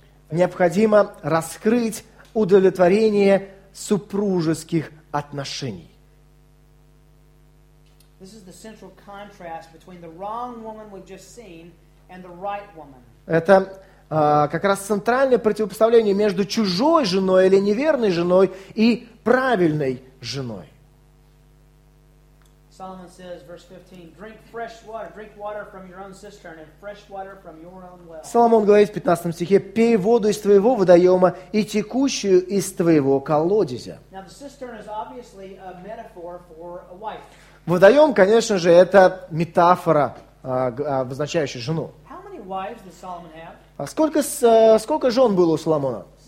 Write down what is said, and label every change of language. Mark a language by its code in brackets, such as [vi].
[ru] Необходимо раскрыть удовлетворение супружеских отношений. [en] This is the central contrast between the wrong woman we've just seen and the right woman. [ru] Это как раз центральное противопоставление между чужой женой или неверной женой и правильной женой. [en] Solomon says, verse 15, drink fresh water, drink water from your own cistern and fresh water from your own well. [ru] Соломон говорит в 15 стихе: пей воду из твоего водоема и текущую из твоего колодезя. [en] Now the cistern is obviously a metaphor for a wife. [ru] Водоем, конечно же, это метафора, обозначающая жену. [en] How many wives does Solomon have? [ru] А сколько, сколько жен было у Соломона?